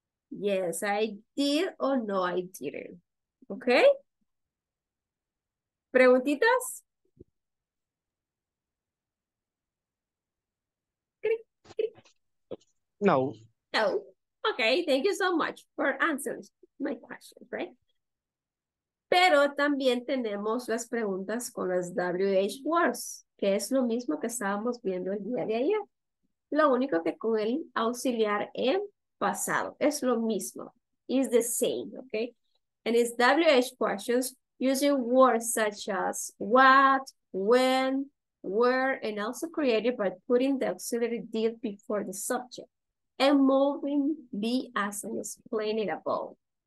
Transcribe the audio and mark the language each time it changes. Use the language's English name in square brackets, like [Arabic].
[English] Yes, I did. Or no, I didn't, okay? [Spanish] ¿Preguntitas? [English] No. No. Okay, thank you so much for answering my question, right? [Spanish] Pero también tenemos las preguntas con las [English] WH words, [Spanish] que es lo mismo que estábamos viendo el día de ayer. Lo único que con el auxiliar en pasado. Es lo mismo. [English] It's the same, okay? And it's WH questions using words such as what, when, where, and also created by putting the auxiliary did before the subject and moving be as an explainable.